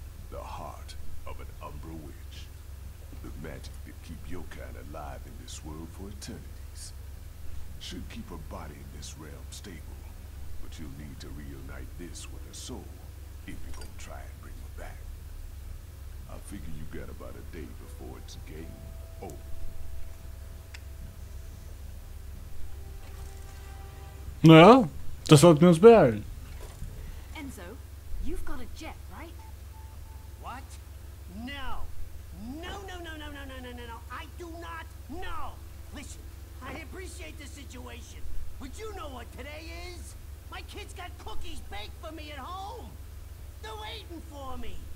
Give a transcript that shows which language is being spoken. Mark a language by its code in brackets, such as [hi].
[en] The heart of an Umbra Witch. The magic that keep your kind alive in this world for eternities. Should keep her body in this realm stable. But you'll need to reunite this with her soul if you're gonna try and bring her back. I figure you got about a day before it's game over. [de] Naja, das sollten wir uns beeilen. [en] Enzo, you've got a jet, right? What? No! No, no, no, no, no, no, no, no, no! I do not know! Listen, I appreciate the situation, but you know what today is? My kids got cookies baked for me at home. They're waiting for me.